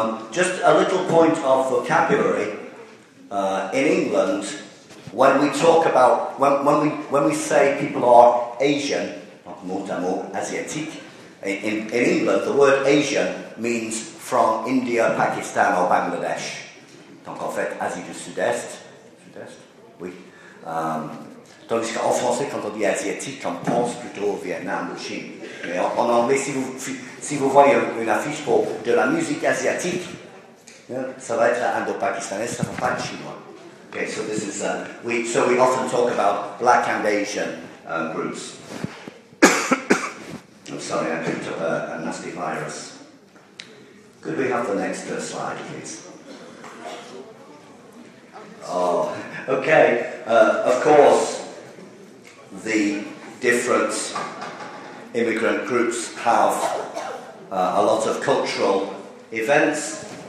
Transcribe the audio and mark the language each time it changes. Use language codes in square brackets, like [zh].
[en] Just a little point of vocabulary. In England, when we talk about when we say people are Asian, [fr] mutamu asiatique, [en] in England the word Asian means from India, Pakistan, or Bangladesh. [fr] Donc en fait, Asie du Sud-Est. Sud-Est. Oui. Tandis qu'en français, quand on dit asiatique, on pense plutôt au Vietnam ou Chine. Mais en anglais, si vous voyez une affiche pour de la musique asiatique, ça va être indo-pakistanais, ça va pas être chinois. [en] Okay, so this is we often talk about black and Asian groups. I'm sorry, I picked up a nasty virus. Could we have the next slide, please? Oh, okay. Of course, the different immigrant groups have a lot of cultural events.